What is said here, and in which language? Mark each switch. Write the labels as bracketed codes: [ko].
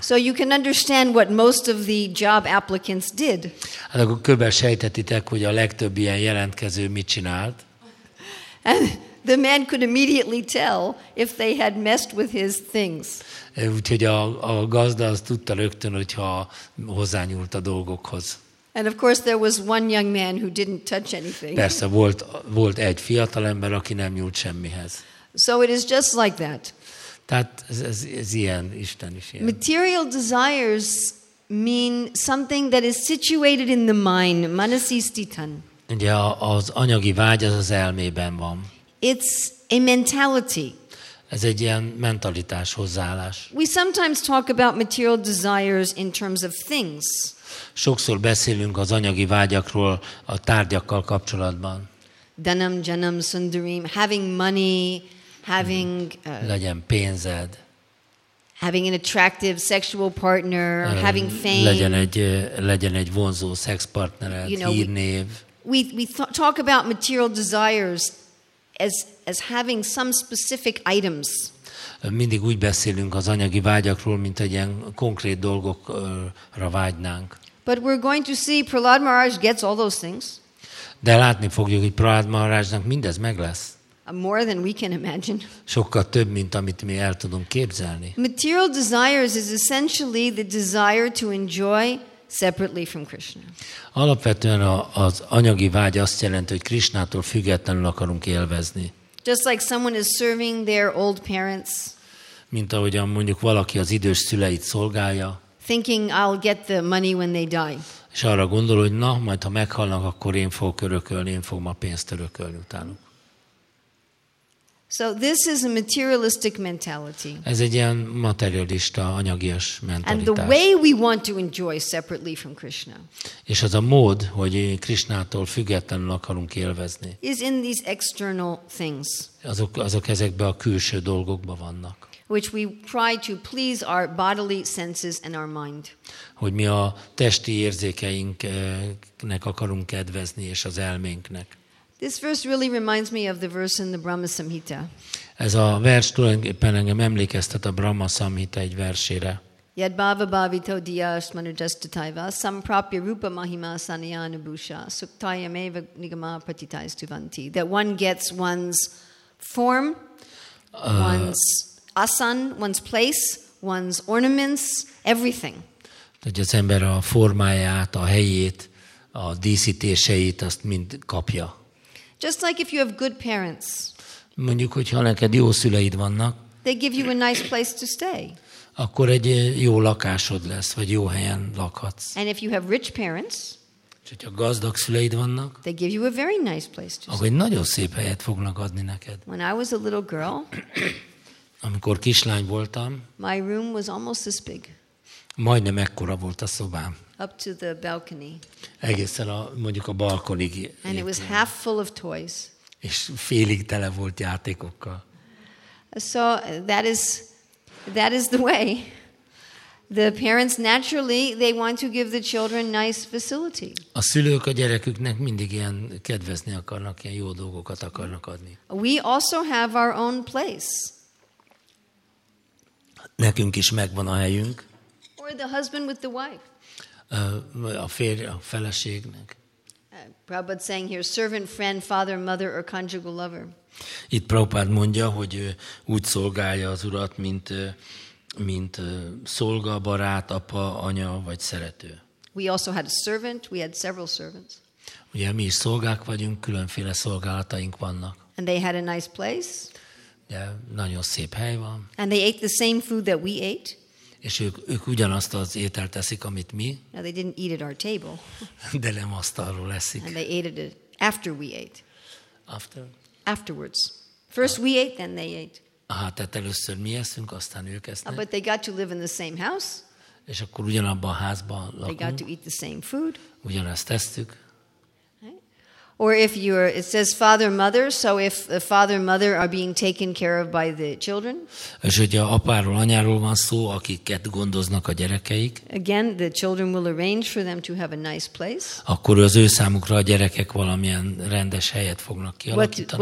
[en] So you can understand what most of the job applicants did. [hu] Hát akkor kb. Sejtetitek, hogy a legtöbb ilyen jelentkező mit csinált. [en] And the man could immediately tell if they had messed with his things. [hu] Úgyhogy a gazda az tudta rögtön, hogyha hozzányúlt a dolgokhoz. [en] And of course there was one young man who didn't touch anything. [hu] Persze volt egy fiatal ember, aki nem nyúlt semmihez. [en] So it is just like that. [hu] Tehát ez ilyen, Isten is ilyen. [en] Material desires mean something that is situated in the mind, manasisthitan. [hu] Ugye az anyagi vágy az elmében van. [en] It's a mentality. [hu] Ez egy ilyen mentalitás, hozzáállás. [en] We sometimes talk about material desires in terms of things. [hu] Sokszor beszélünk az anyagi vágyakról a tárgyakkal kapcsolatban. [sa] Danam, janam, sundarim, [en] having money, having [hu] legyen pénzed. [en] Having an attractive sexual partner, having fame. [hu] Legyen egy vonzó szexpartnered, [en] you know, [hu] hírnév. [en] We talk about material desires as having some specific items. [hu] Mindig úgy beszélünk az anyagi vágyakról, mint egy ilyen konkrét dolgokra vágynánk. [en] But we're going to see Prahlad Maharaj gets all those things. [hu] De látni fogjuk, hogy Prahlad Maharajnak mindez meg lesz. [en] More than we can imagine. [hu] Sokkal több, mint amit mi el tudunk képzelni. [en] Material desires is essentially the desire to enjoy separately from Krishna. [hu] Alapvetően az anyagi vágy azt jelenti, hogy Krishnától függetlenül akarunk élvezni. [en] Just like someone is serving their old parents. [hu] Mint ahogyan mondjuk valaki az idős szüleit szolgálja. [en] Thinking I'll get the money when they die. [hu] És arra gondol, hogy na, majd ha meghalnak, akkor én fogok örökölni, én fogom a pénzt örökölni utánuk. [en] So this is a materialistic mentality. [hu] Ez egy ilyen materialista, anyagias mentalitás. [en] And the way we want to enjoy separately from Krishna. [hu] És az a mód, hogy Krishnától függetlenül akarunk élvezni. [en] Is in these external things. [hu] Azok ezekben a külső dolgokban vannak. [en] Which we try to please our bodily senses and our mind. [hu] Hogy mi a testi érzékeinknek akarunk kedvezni és az elménknek. [en] This verse really reminds me of the verse in the Brahma Samhita. [hu] Ez a vers tulajdonképpen engem emlékeztet a Brahma Samhita egy versére. [sa] Yad bhava bhavito diya smanujastitaiva samprapya rupa mahima sanyana bhusha suktayameva nigama patitaistuvanti. [en] That one gets one's form, one's asan, one's place, one's ornaments, everything. [hu] Tehát az ember a formáját, a helyét, a díszítéseit, azt mind kapja. [en] Just like if you have good parents. [hu] Mondjuk, hogyha neked jó szüleid vannak. [en] They give you a nice place to stay. [hu] Akkor egy jó lakásod lesz, vagy jó helyen lakhatsz. [en] And if you have rich parents. [hu] És hogyha gazdag szüleid vannak. [en] They give you a very nice place to stay. [hu] Akkor egy nagyon szép helyet fognak adni neked. [en] When I was a little girl. [hu] Amikor kislány voltam, [en] my room was almost this big. [hu] Majdnem ekkora volt a szobám. [en] Up to the balcony. [hu] Egészen a, mondjuk a balkonig. [en] And it was half full of toys. [hu] És félig tele volt játékokkal. [en] So that is the way. The parents naturally they want to give the children nice facility. [hu] A szülők a gyereküknek mindig ilyen kedvezni akarnak, ilyen jó dolgokat akarnak adni. [en] We also have our own place. [hu] Nekünk is megvan a helyünk. [en] Or the husband with the wife. [hu] A férj, a feleségnek. [en] Prabhupada saying here, servant, friend, father, mother, or conjugal lover. [hu] Itt Prabhupada mondja, hogy úgy szolgálja az Urat, mint szolga, barát, apa, anya vagy szerető. [en] We also had a servant. We had several servants. [hu] Ugye mi is szolgák vagyunk, különféle szolgálataink vannak. [en] And they had a nice place. [hu] De nagyon szép hely van. [en] And they ate the same food that we ate. [hu] És ők ugyanazt az ételt eszik, amit mi. [en] Now they didn't eat at our table. [hu] De nem asztalról eszik. [en] And they ate it after we ate. After? Afterwards. First we ate, then they ate. [hu] Hát, tehát először mi eszünk, aztán ők esznek. [en] But they got to live in the same house. [hu] És akkor ugyanabban a házban lakunk. [en] They got to eat the same food. [hu] Ugyanazt esztük. [en] Or if you're, it says father, mother, so if the father, mother are being taken care of by the children. [hu] És hogyha apáról, anyáról van szó, akiket gondoznak a gyerekeik. [en] Again, the children will arrange for them to have a nice place. [hu] Akkor az ő számukra a gyerekek valamilyen rendes helyet fognak kialakítani.